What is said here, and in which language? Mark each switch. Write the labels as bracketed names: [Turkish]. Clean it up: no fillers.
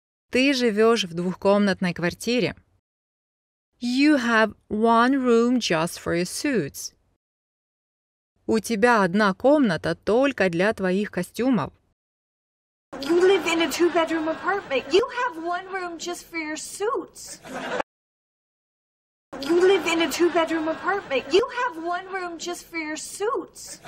[Russian] Ты живешь в двухкомнатной квартире. [English] You have one room just for your suits. [Russian] У тебя одна комната только для твоих костюмов. [English] You live in a two-bedroom apartment. You have one room just for your suits. You live in a two-bedroom apartment. You have one room just for your suits.